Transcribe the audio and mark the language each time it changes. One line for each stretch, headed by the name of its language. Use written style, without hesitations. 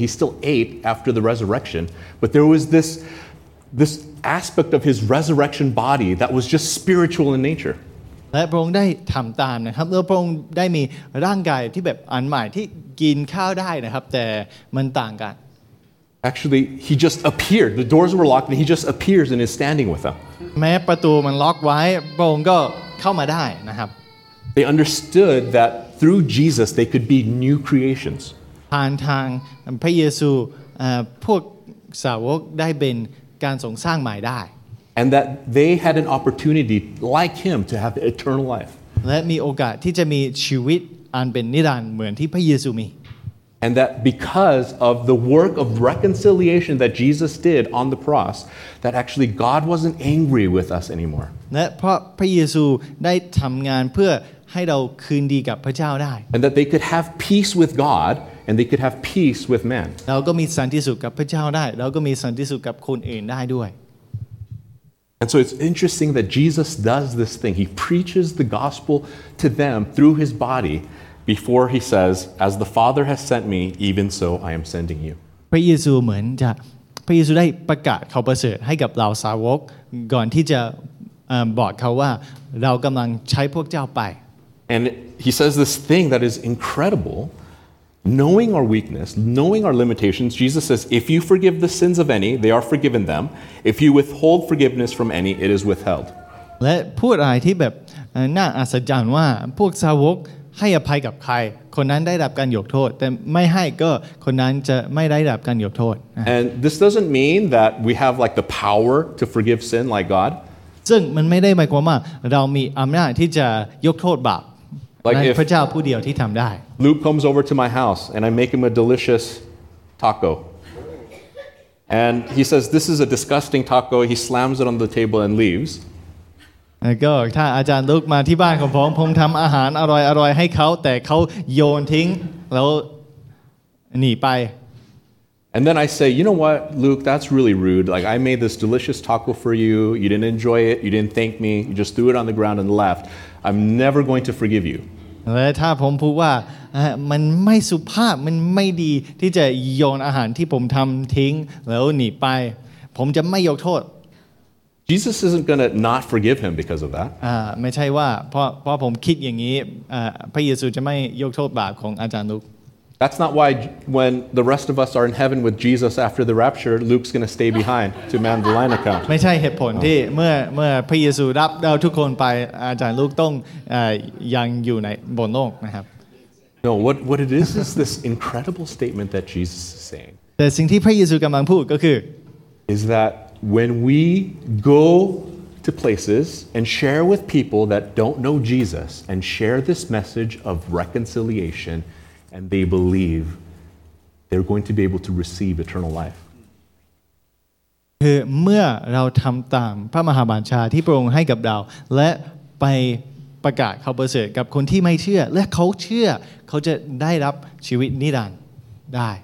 English: He still ate after the resurrection, but there was this aspect of his resurrection body that was just spiritual in nature.
Thai: และพระองค์ได้ทำตามนะครับแล้วพระองค์ได้มีร่างกายที่แบบอันใหม่ที่กินข้าวได้นะครับแต่มันต่างกัน
English: Actually he just appeared the doors were locked and he just appears and is standing with them
Thai: แม้ประตูมันล็อกไว้พระองค์ก็เข้ามาได้นะครับ
English: They understood that through Jesus they could be new creations
Thai: ผ่านทางพระเยซูพวกสาวกได้เป็นการทรงสร้างใหม่ได้
English: And that they had an opportunity like him to have eternal life.
Thai: และมีโอกาสที่จะมีชีวิตอันเป็นนิรันดร์เหมือนที่พระเยซูมี
English: And that because of the work of reconciliation that Jesus did on the cross, that actually God wasn't angry with us anymore.
Thai: และเพราะพระเยซูได้ทำงานเพื่อให้เราคืนดีกับพระเจ้าได้
English: And that they could have peace with God and they could have peace with man.
Thai: เราก็มีสันติสุขกับพระเจ้าได้เราก็มีสันติสุขกับคนอื่นได้ด้วย
English: And so it's interesting that Jesus does this thing. He preaches the gospel to them through his body before he says, As the Father has sent me, even so I am sending you.
Thai: พระเยซูเหมือนจะพระเยซูได้ประกาศข่าวประเสริฐให้กับเหล่าสาวกก่อนที่จะบอกเขาว่าเรากำลังใช้พวกเจ้าไป
English: And he says this thing that is incredible. Knowing our weakness, knowing our limitations, Jesus says, If you forgive the sins of any, they are forgiven them. If you withhold forgiveness from any, it is withheld.
Thai: และพูดอะไรที่แบบน่าอัศจรรย์ว่าพวกสาวกให้อภัยกับใครคนนั้นได้รับการยกโทษแต่ไม่ให้ก็คนนั้นจะไม่ได้รับการยกโทษ
English: And this doesn't mean that we have like the power to forgive sin like God.
Thai: ซึ่งมันไม่ได้หมายความว่าเรามีอำนาจที่จะยกโทษบาป
English: Like
Thai: พระเจ้าผู้เดียวที่ทำได้
English: Luke comes over to my house and I make him a delicious taco and he says this is a disgusting taco he slams it on the table and leaves
Thai: ก็ถ้าอาจารย์ลูกมาที่บ้านของผมทำอาหารอร่อยๆให้เขาแต่เขาโยนทิ้งแล้วหนีไป
English: And then I say, you know what, Luke, that's really rude. Like, I made this delicious taco for you. You didn't enjoy it. You didn't thank me. You just threw it on the ground and left. I'm never going to forgive you.
Thai: และถ้าผมพูดว่ามันไม่สุภาพมันไม่ดีที่จะโยนอาหารที่ผมทำทิ้งแล้วหนีไปผมจะไม่ยกโทษ
English: Jesus isn't going to not forgive him because of that.
Thai: ไม่ใช่ว่าเพราะผมคิดอย่างนี้พระเยซูจะไม่ยกโทษบาปของอาจารย์ลูก
English: That's not why when the rest of us are in heaven with Jesus after the rapture, Luke's going to stay behind to man the line account.
Thai: ไม่ใช่เหตุผลที่เมื่อพระเยซูรับเราทุกคนไปอาจารย์ลูกต้องยังอยู่ในบนโลกนะครับ
English: No, what it is this incredible statement that Jesus is saying.
Thai: แต่สิ่งที่พระเยซูกำลังพูดก็คือ
English: is that when we go to places and share with people that don't know Jesus and share this message of reconciliation,And they believe they're going to be able to receive eternal life.
Thai: คือเมื่อเราทำตามพระมหาบัญชาที่พระองค์ให้กับเราและไปประกาศข่าวประเสริฐกับคนที่ไม่เชื่อและเขาเชื่อเขาจะได้รับชีวิตนิรันดร์ได